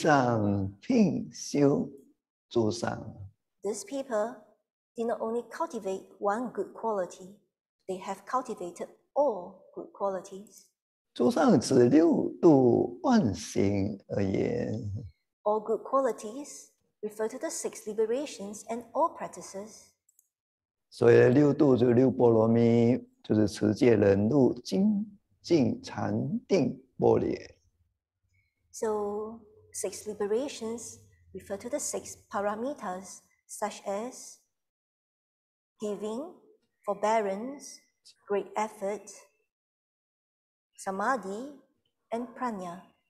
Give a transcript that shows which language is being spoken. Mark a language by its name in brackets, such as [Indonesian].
[Chinese] 世人不但修一善，并修诸善。 [English] These people did not only cultivate one good quality, they have cultivated all good qualities. [Chinese] 诸善指六度万行而言。 [English] All good qualities refer to the six liberations and all practices. [Chinese] 所以六度就是六波罗蜜，就是持戒、忍辱、精进、禅定、波罗蜜。 [English] So, six liberations refer to the six parameters, such as giving, forbearance, great effort, samadhi, and prana.